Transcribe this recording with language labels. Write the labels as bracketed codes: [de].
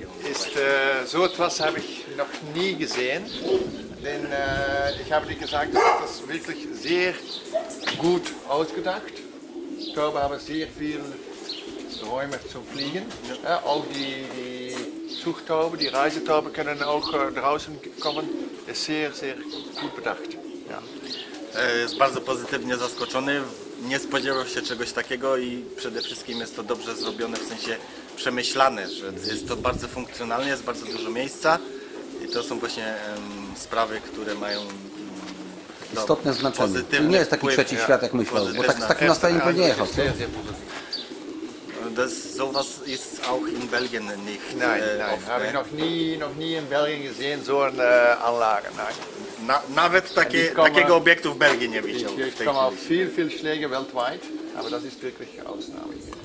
[de] Ist so etwas habe ich noch nie gesehen. denn ich habe dir gesagt, du hast das wirklich sehr gut ausgedacht. Ich glaube, aber sehr viel Räume zum Fliegen. Ja. Ja, auch die Zuchttaube, die Reisetaube können auch draußen kommen. Das ist sehr, sehr gut bedacht. Ja. [pl] Jest bardzo pozytywnie zaskoczony. Nie spodziewał się czegoś takiego i przede wszystkim jest to dobrze zrobione, w sensie przemyślane, że jest to bardzo funkcjonalne, jest bardzo dużo miejsca i to są właśnie sprawy, które mają istotne znaczenie. To nie jest taki trzeci świat, jak myślał, bo tak, z takim nastawieniem bym nie jechał. [de] Das sowas ist auch in Belgien nicht. Nein, nein, habe ich noch nie in Belgien gesehen, so eine Anlage. [pl] Nawet takiego obiektu w Belgii nie widział. [de] Ich komme auf viel Schläge weltweit, aber das ist wirklich Ausnahme.